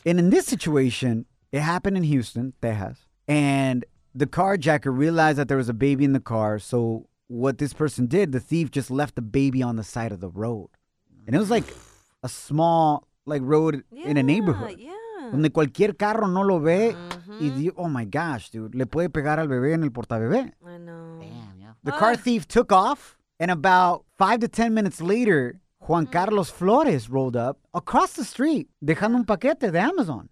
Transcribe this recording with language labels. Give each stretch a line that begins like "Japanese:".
English: And in this situation, it happened in Houston, Texas, and the carjacker realized that there was a baby in the car, so what this person did, the thief just left the baby on the side of the road. And it was like a small like road in a neighborhood. Yeah.
Spanish: Donde cualquier carro no lo ve,
English: oh my gosh, dude,
Spanish: le puede pegar al bebé en el portabebé.
English: I know. Damn, yeah. The car thief took off, and about 5 to 10 minutes later, Juan Carlos Flores rolled up across the street,
Spanish: dejando un paquete de Amazon.